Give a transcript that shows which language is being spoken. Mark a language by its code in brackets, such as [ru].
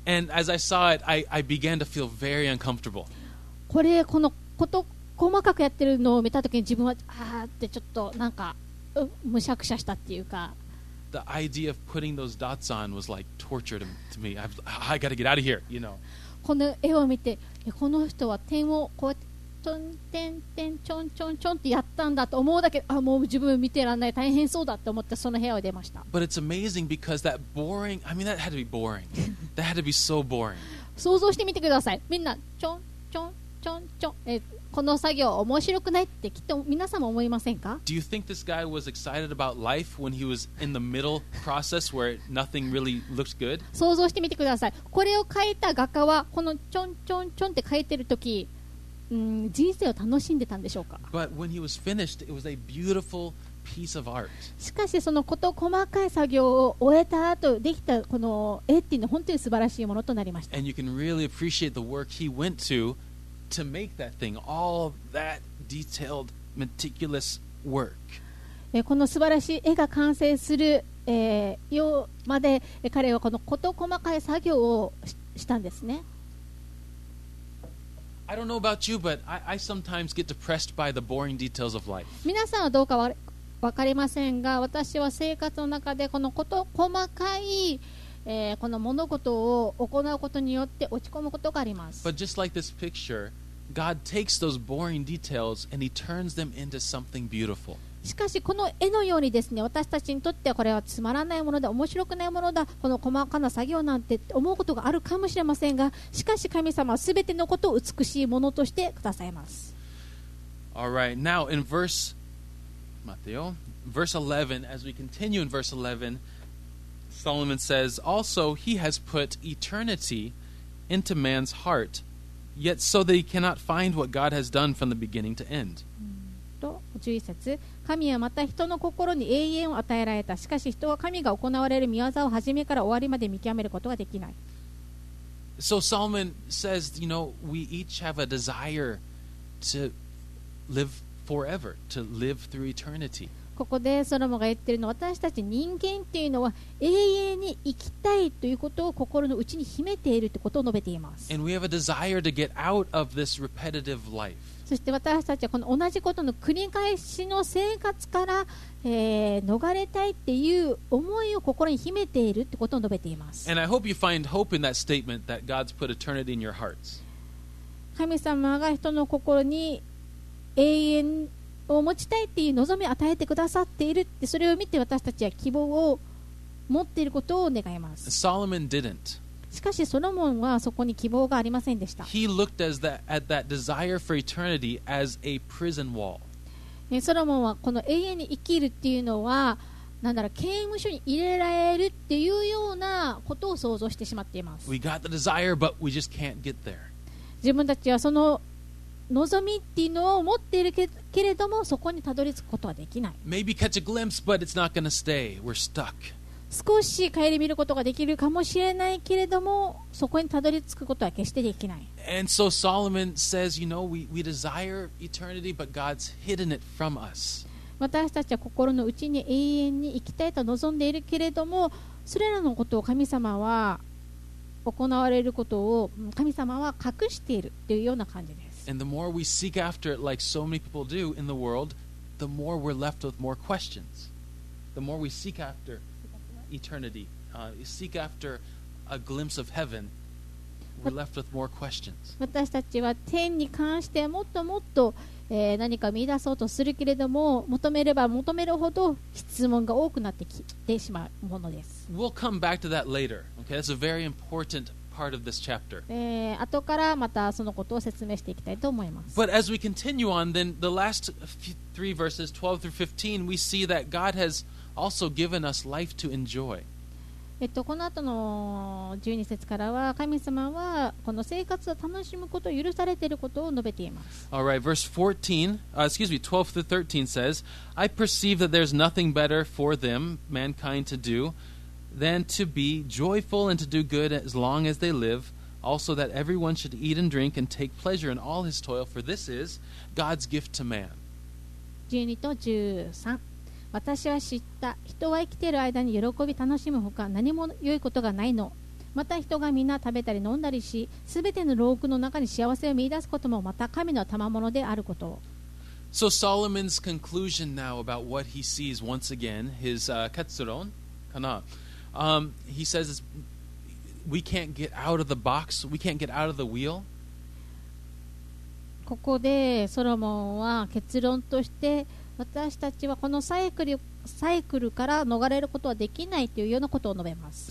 [en] And as I saw it, I began to feel very uncomfortable. [ja] これこのこと細かくやってるのを見たときに自分はあーってちょっとなんか、むしゃくしゃしたっていうか。 [en] The idea of putting those dots on was like torture to me. I gotta get out of here, you know. [ja] この絵を見て、この人は点をこうやってトンテンテンチョンチョンチョンってやったんだと思うだけ、あ、もう自分見てらんない大変そうだと思ってその部屋を出ました。 [en] But it's amazing because that boring. I mean, that had to be boring. That had to be so boring. [ja] 想像してみてください。みんなチョンチョン。ちょんちょん、この作業面白くないってきっと皆さんも思いませんか? [en] Do you think this guy was excited about life when he was in the middle process where nothing really looked good? [ja] 想像してみてください。これを描いた画家はこのちょんちょんちょんって描いてる時、人生を楽しんでたんでしょうか? [en] But when he was finished, it was a beautiful piece of art. [ja] しかしそのこと細かい作業を終えた後できたこの絵っていうのは本当に素晴らしいものとなりました。 [en] And you can really appreciate the work he went toTo make that thing, all that detailed, meticulous work. [ja] この素晴らしい絵が完成するようまで彼はこのこと細かい作業をしたんですね。 [en] I don't know about you, but I sometimes get depressed by the boring details of life. [ja] 皆さんはどうかわかりませんが、私は生活の中でこのこと細かいこの物事を行うことによって落ち込むことがあります。 [en] But just like this picture, God takes those boring details and He turns them into something beautiful. [ja] しかしこの絵のようにですね、私たちにとってこれはつまらないものだ、面白くないものだ、この細かな作業なんて思うことがあるかもしれませんが、しかし神様はすべてのことを美しいものとしてくださいます。 [en] All right, now in verse 11, as we continue in verse 11. Solomon says, also he has put eternity into man's heart, yet so that he cannot find what God has done from the beginning to end. [ja] 11節、神はまた人の心に永遠を与えられた。しかし人は神が行われる御業を始めから終わりまで見極めることができない。 [en] So Solomon says, you know, we each have a desire to live forever, to live through eternity. [ja] ここでソロモンが言っているのは、私たち人間っていうのは永遠に生きたいということを心の内に秘めているということを述べています。 [en] And we have a desire to get out of this repetitive life. [ja] そして私たちはこの同じことの繰り返しの生活から、逃れたいっていう思いを心に秘めているってことを述べています。 [en] And I hope you find hope in that statement that God's put eternity in your hearts. [ja] 神様が人の心に永遠を持ちたいっていう望みを与えてくださっているって、それを見て私たちは希望を持っていることを願います。 [en] Solomon didn't. [ja] しかしソロモンはそこに希望がありませんでした。 [en] He looked at that desire for eternity as a prison wall. [ja] ソロモンはこの永遠に生きるっていうのは、なんだろう、刑務所に入れられるっていうようなことを想像してしまっています。 [en] We got the desire, but we just can't get there. [ja] 自分たちはその望みっていうのを持っているけれども、そこにたどり着くことはできない。 [en] Maybe catch a glimpse, but it's not going to stay. We're stuck. [ja] 少し顧みることができるかもしれないけれども、そこにたどり着くことは決してできない。 [en] And so Solomon says, you know, we desire eternity, but God's hidden it from us. [ja] 私たちは心の内に永遠に生きたいと望んでいるけれども、それらのことを神様は行われることを神様は隠しているというような感じです。 [en] And the more we seek after it like so many people do in the world, the more we're left with more questions. The more we seek afterEternity. Seek after a glimpse of heaven. We're left with more questions. [ja] 私たちは天に関してもっともっと、何か見出そうとするけれども、求めれば求めるほど質問が多くなってきてしまうものです。 [en] We'll come back to that later. Okay, that's a very important part of this chapter. [ja] 後からまたそのことを説明していきたいと思います。 [en] But as we continue on, then the last three verses, 12 through 15, we see that God hasAlso given us life to enjoy. [ja] この後の十二節からは、神様はこの生活を楽しむことを許されていることを述べています。 [en] All right, verse 14, excuse me, 12 to 13 says, I perceive that there's nothing better for them, mankind, to do than to be joyful and to do good as long as they live, also that everyone should eat and drink and take pleasure in all his toil, for this is God's gift to man. [ja] 12と13私は知った。人は生きている間に喜び楽しむほか何も良いことがないの。また人がみんな食べたり飲んだりし、すべての労苦の中に幸せを見出すこともまた神の賜物であること。 [en] So Solomon's conclusion now about what he sees once again, his [ja] katsuron kana. [en] He says we can't get out of the box, we can't get out of the wheel. [ja] ここでソロモンは結論として、私たちはこのサイクルから逃れることはできないというようなことを述べます。